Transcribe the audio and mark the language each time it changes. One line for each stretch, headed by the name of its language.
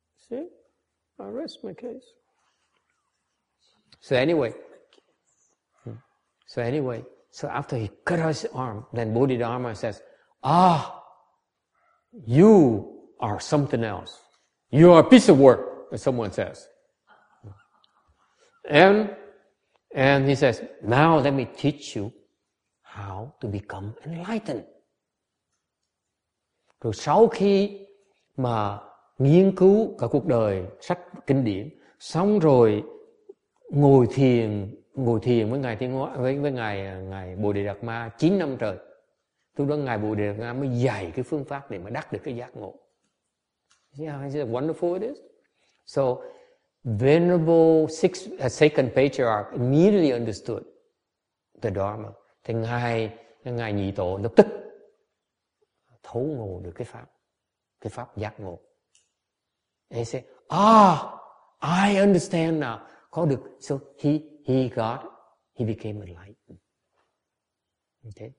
English: See? I rest my case. So after he cut off his arm, then Bodhidharma says, ah, you are something else. You are a piece of work, as someone says. And he says, now let me teach you how to become enlightened.
Vietnamese: Rồi sau khi mà nghiên cứu cả cuộc đời sách kinh điển, xong rồi ngồi thiền với ngài Thiên Hóa, với ngài Bồ Đề Đạt Ma 9 năm trời. Lúc đó ngài Bồ Đề Đạt Ma mới dạy cái phương pháp để mà đắc được cái giác ngộ.
English: See how wonderful it is? So venerable second patriarch immediately understood the Dharma.
Vietnamese: Thì ngài Nhị Tổ lập tức thấu ngộ được cái pháp giác ngộ.
English: He said, I understand now.
Vietnamese: Có được.
English: So he got, he became enlightened. Okay?